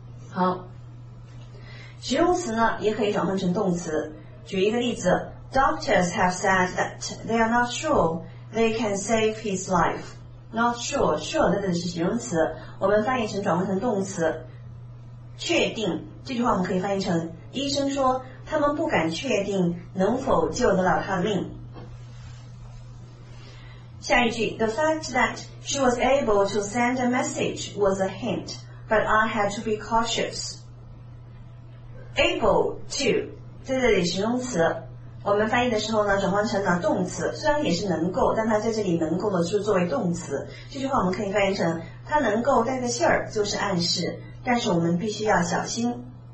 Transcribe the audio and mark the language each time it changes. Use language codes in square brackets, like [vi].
[zh] 好，形容词呢也可以转换成动词，举一个例子， [en] Doctors have said that they are not sure they can save his life。 [zh] Not sure 那个是形容词，我们翻译成转换成动词，确定。这句话我们可以翻译成医生说他们不敢确定能否救得了他的命。下一句， [en] The fact that she was able to send a message was a hint, but I had to be cautious。 [zh] Able to 在这里形容词，我们翻译的时候呢转换成了动词，虽然也是能够，但它在这里能够的是作为动词。这句话我们可以翻译成它能够带个信儿，就是暗示，但是我们必须要小心。